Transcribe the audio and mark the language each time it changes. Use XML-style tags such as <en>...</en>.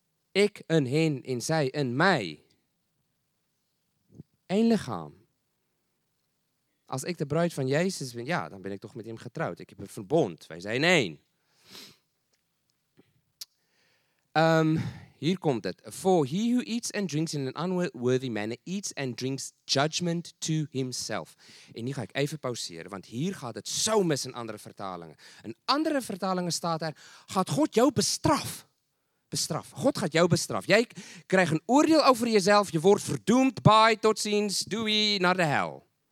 <nl>Ik een hen en zij een mij. Eén lichaam. Als ik de bruid van Jezus ben, ja, dan ben ik toch met hem getrouwd. Ik heb een verbond, wij zijn één. Hier komt het.</nl> <en>For he who eats and drinks in an unworthy manner eats and drinks judgment to himself.</en> <nl>En hier ga ik even pauzeren, want hier gaat het zo mis in andere vertalingen. In andere vertalingen staat er, gaat God jou bestraf? Bestraf. God gaat jou bestraf. Jij krijgt een oordeel over jezelf, je wordt verdoemd, bye, tot ziens, doei, naar de hel.</nl>